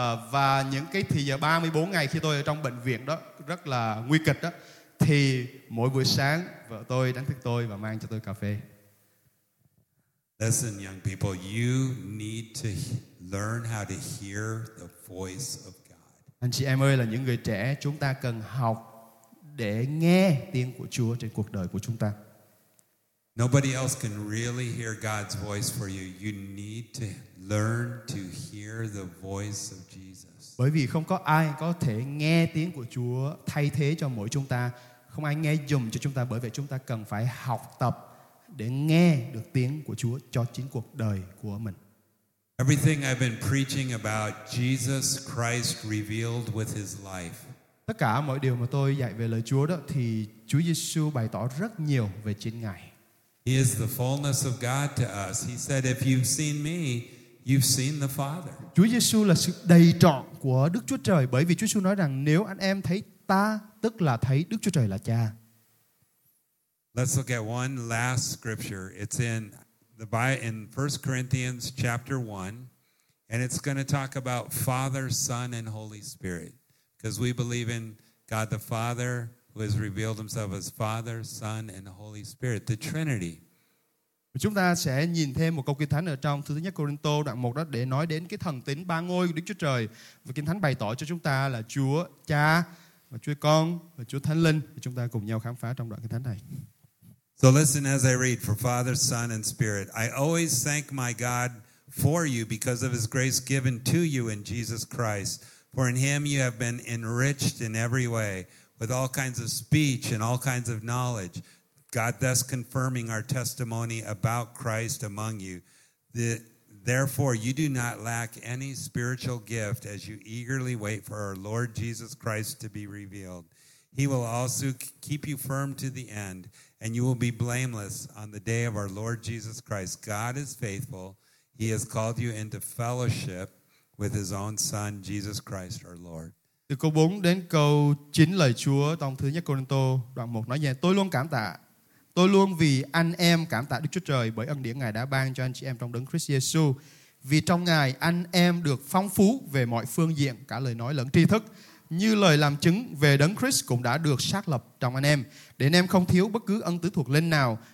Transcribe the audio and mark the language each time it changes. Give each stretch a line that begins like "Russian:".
Vietnamese: Và những cái thì giờ 34 ngày khi tôi ở trong bệnh viện đó, rất là nguy kịch đó. Thì mỗi buổi sáng vợ tôi đánh thức tôi và mang cho tôi cà phê.
English: Listen, young people, you need to learn how to hear the voice of God.
Vietnamese: Anh chị em ơi, là những người trẻ, chúng ta cần học để nghe tiếng của Chúa trên cuộc đời của chúng ta.
English: Nobody else can really hear God's voice for you. You need to learn to hear the voice of Jesus.
Vietnamese: Bởi vì không có ai có thể nghe tiếng của Chúa thay thế cho mỗi chúng ta. Không ai nghe dùm cho chúng ta. Bởi vậy chúng ta cần phải học tập để nghe được tiếng của Chúa cho chính cuộc đời của mình.
English: Everything I've been preaching about Jesus Christ revealed with His life.
Vietnamese: Tất cả mọi điều mà tôi dạy về lời Chúa đó thì Chúa Giê-xu bày tỏ rất nhiều về chính Ngài.
English: He is the fullness of God to us. He said, if you've seen me, You've seen the Father.
Vietnamese: Chúa Giêsu là sự đầy trọn của Đức Chúa Trời, bởi vì Chúa Giêsu nói rằng nếu anh em thấy ta, tức là thấy Đức Chúa Trời là Cha.
English: Let's look at one last scripture. It's in the in 1 Corinthians chapter 1, and it's going to talk about Father, Son, and Holy Spirit, because we believe in God the Father, who has revealed himself as Father, Son, and Holy Spirit, the Trinity.
Vietnamese: Chúng ta sẽ nhìn thêm một câu kinh thánh ở trong thứ nhất Côrintô đoạn 1 đó, để nói đến cái thần tính ba ngôi của Đức Chúa Trời. Và kinh thánh bày tỏ cho chúng ta là Chúa Cha và Chúa Con và Chúa Thánh Linh. Và chúng ta cùng nhau khám phá trong đoạn kinh thánh này.
English: So listen as I read, for Father, Son and Spirit, I always thank my God for you because of his grace given to you in Jesus Christ. For in him you have been enriched in every way with all kinds of speech and all kinds of knowledge. God thus confirming our testimony about Christ among you. Therefore, you do not lack any spiritual gift as you eagerly wait for our Lord Jesus Christ to be revealed. He will also keep you firm to the end, and you will be blameless on the day of our Lord Jesus Christ. God is faithful. He has called you into fellowship with his own Son, Jesus Christ, our Lord.
Vietnamese: Từ câu 4 đến câu 9 lời Chúa trong thứ nhất Côrintô đoạn 1 nói rằng tôi luôn cảm tạ. Tôi luôn vì anh em cảm tạ Đức Chúa Trời bởi ân điển Ngài đã ban cho anh chị em trong Đấng Christ Jesus. Vì trong Ngài anh em được phong phú về mọi phương diện, cả lời nói lẫn tri thức, như lời làm chứng về Đấng Christ cũng đã được xác lập trong anh em, để anh em không thiếu bất cứ ân tứ thuộc linh nào.